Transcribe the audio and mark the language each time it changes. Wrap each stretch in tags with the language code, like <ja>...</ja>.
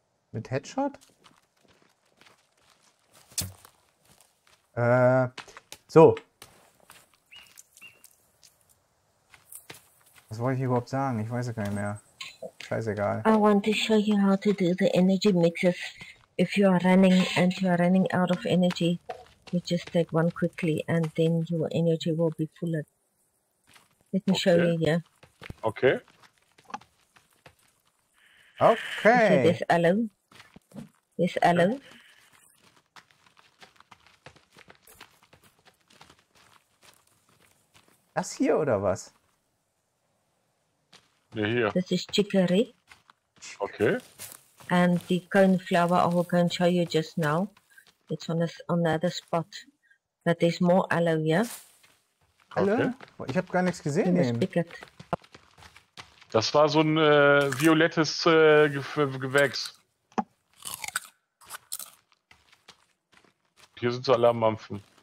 <de>Mit Headshot? So. Was wollte ich überhaupt sagen? Ich weiß es gar nicht mehr. Scheißegal.</de> <en>I want to show you how to do the energy mixes. If you are running and you are running out of energy, you just take one quickly and then your energy will be fuller. Let me show you, yeah. Okay. Okay. See this aloe? This aloe? Yeah.</en> <de>Das hier oder was? Ja, hier. Das ist Chicory. Okay.</de> <en>And the coneflower I will go and show you just now. It's on this, on the other spot. But there's more aloe, yeah? Aloe? Okay.</en> <de>Ich habe gar nichts gesehen. Das war so ein violettes Gewächs. Hier sind sie alle am Mampfen.</de>